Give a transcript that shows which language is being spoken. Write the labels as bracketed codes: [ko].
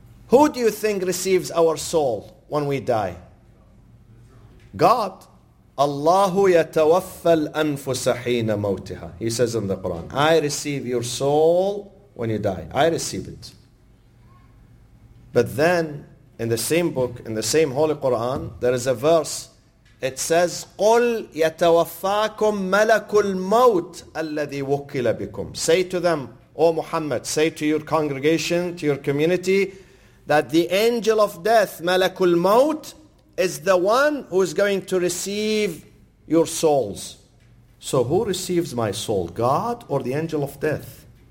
[en] Who do you think receives our soul when we die? God. [ar] Allahu yatawaffa al-anfusa hina mawtaha. [en] He says in the Quran, I receive your soul when you die. I receive it. But then, in the same book, in the same Holy Quran, there is a verse. It says, [ar] قُلْ يَتَوَفَّاكُمْ مَلَكُ الْمَوْتِ الَّذِي وُكِّلَ بِكُمْ. [en] Say to them, O Muhammad, say to your congregation, to your community, that the angel of death, [ar] مَلَكُ الْمَوْتِ, [en] is the one who is going to receive your souls. So who receives my soul, God or the angel of death?